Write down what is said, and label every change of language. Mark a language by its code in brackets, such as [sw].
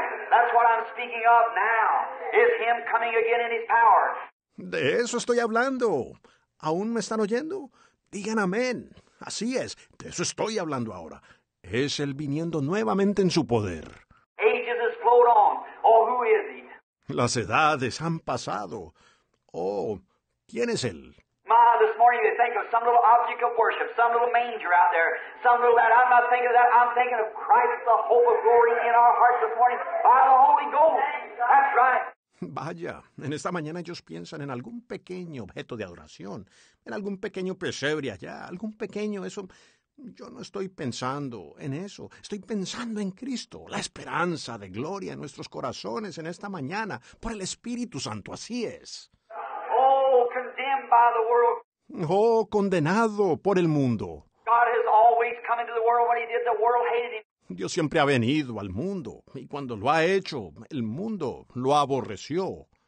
[en] That's what I'm speaking of now, is him coming again in his power. [es] De eso estoy hablando. ¿Aún me están oyendo? Digan amén. Así es, de eso estoy hablando ahora. Es él viniendo nuevamente en su poder. [en] Ages has flowed on. Oh, who is he? [es] Las edades han pasado. Oh, ¿quién es él? [en] My, this morning you think of some little object of worship, some little manger out there, some little that. I'm not thinking of that. I'm thinking of Christ, the hope of glory in our hearts this morning by the Holy Ghost. That's right. [es] Vaya, en esta mañana ellos piensan en algún pequeño objeto de adoración, en algún pequeño pesebre allá, algún pequeño eso. Yo no estoy pensando en eso. Estoy pensando en Cristo, la esperanza de gloria en nuestros corazones en esta mañana, por el Espíritu Santo. Así es. [en] Oh, condemned by the world. [es] Oh, condenado por el mundo. [en] God has always come into the world. When he did, the world hated him. [es] Dios siempre ha venido al mundo, y cuando lo ha hecho, el mundo lo aborreció.